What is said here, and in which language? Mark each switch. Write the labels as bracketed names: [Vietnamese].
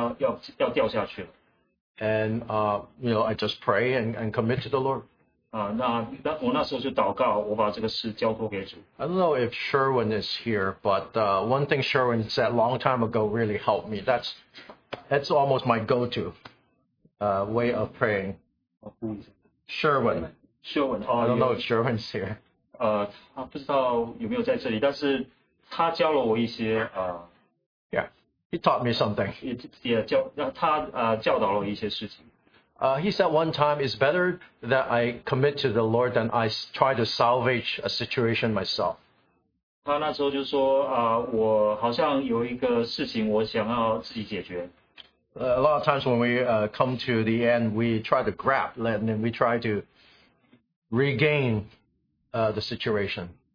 [Chinese] 这个球我好像不能再拿了，好像要掉下去了。 [English] And you know, I just pray and commit to the Lord. [Chinese] 那我那时候就祷告，我把这个事交托给主。 [English] I don't know if Sherwin is here, but one thing Sherwin said long time ago really helped me. That's almost my go-to way of praying. Sherwin. Sherwin. I don't know if Sherwin's here. [Chinese] 他不知道有没有在这里，但是他教了我一些。 [English] Yeah, he taught me something. He said one time, it's better that I commit to the Lord than I try to salvage a situation myself. [Chinese] 他那时候就说，我好像有一个事情我想要自己解决。 [English] A lot of times when we come to the end, we try to grab, and then we try to regain the situation.